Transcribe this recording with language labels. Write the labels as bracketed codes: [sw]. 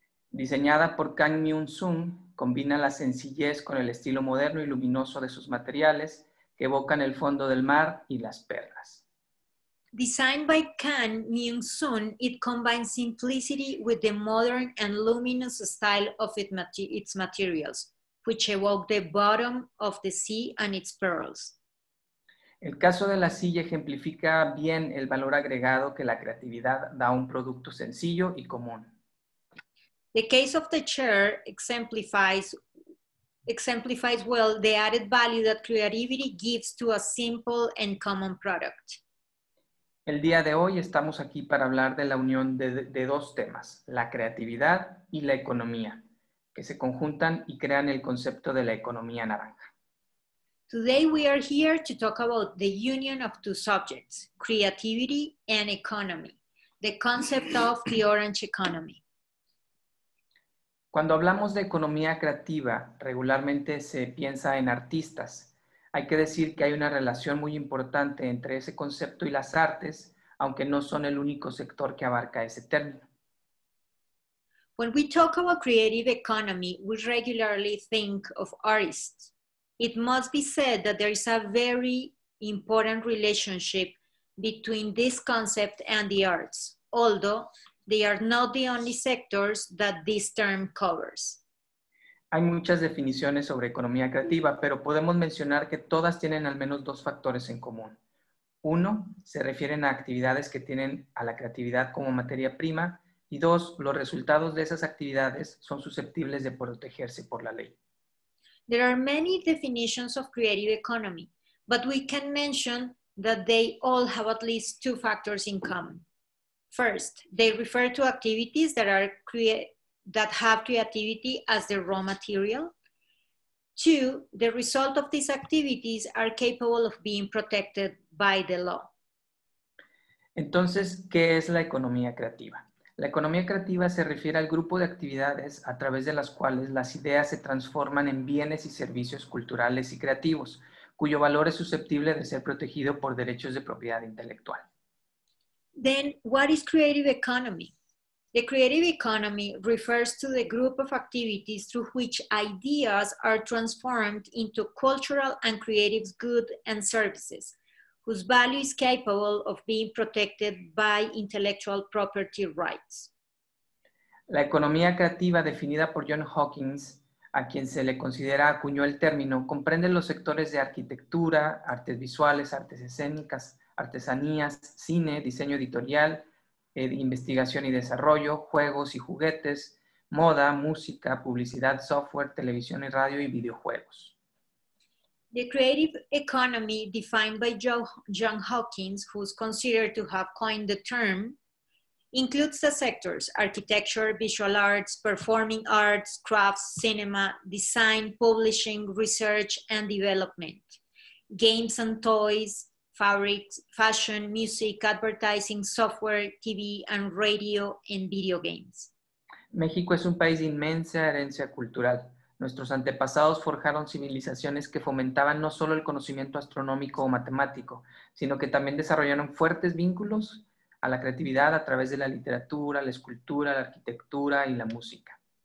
[es] Diseñada por Kang Myung-sung, combina la sencillez con el estilo moderno y luminoso de sus materiales que evocan el fondo del mar y las perlas. [en] Designed by Kang Myung-sung, it combines simplicity with the modern and luminous style of its materials, which evoke the bottom of the sea and its pearls. [es] El caso de la silla ejemplifica bien el valor agregado que la creatividad da a un producto sencillo y común. [en] The case of the chair exemplifies well the added value that creativity gives to a simple and common product. [es] El día de hoy estamos aquí para hablar de la unión de dos temas, la creatividad y la economía, que se conjuntan y crean el concepto de la economía naranja. [en] Today we are here to talk about the union of two subjects, creativity and economy, the concept of the orange economy. [es] Cuando hablamos de economía creativa, regularmente se piensa en artistas. Hay que decir que hay una relación muy importante entre ese concepto y las artes, aunque no son el único sector que abarca ese término. [en] When we talk about creative economy, we regularly think of artists. It must be said that there is a very important relationship between this concept and the arts, although they are not the only sectors that this term covers. [es] Hay muchas definiciones sobre economía creativa, pero podemos mencionar que todas tienen al menos dos factores en común. Uno, se refieren a actividades que tienen a la creatividad como materia prima, y dos, los resultados de esas actividades son susceptibles de protegerse por la ley. [en] There are many definitions of creative economy, but we can mention that they all have at least two factors in common. First, they refer to activities that have creativity as the raw material. Two, the result of these activities are capable of being protected by the law. [es] Entonces, ¿qué es la economía creativa? La economía creativa se refiere al grupo de actividades a través de las cuales las ideas se transforman en bienes y servicios culturales y creativos, cuyo valor es susceptible de ser protegido por derechos de propiedad intelectual. [en] Then, what is creative economy? The creative economy refers to the group of activities through which ideas are transformed into cultural and creative goods and services, whose value is capable of being protected by intellectual property rights. [es] La economía creativa, definida por John Hawkins, a quien se le considera acuñó el término, comprende los sectores de arquitectura, artes visuales, artes escénicas, artesanías, cine, diseño editorial, investigación y desarrollo, juegos y juguetes, moda, música, publicidad, software, televisión y radio y videojuegos. [en] The creative economy defined by John Hawkins, who's considered to have coined the term, includes the sectors architecture, visual arts, performing arts, crafts, cinema, design, publishing, research and development, games and toys, fabrics, fashion, music, advertising, software, TV, and radio, and video games. [es] México es un país de inmensa herencia cultural. Nuestros antepasados forjaron civilizaciones que fomentaban no solo el conocimiento astronómico o matemático, sino que también desarrollaron fuertes vínculos a la creatividad a través de la literatura, la escultura, la arquitectura, y la música.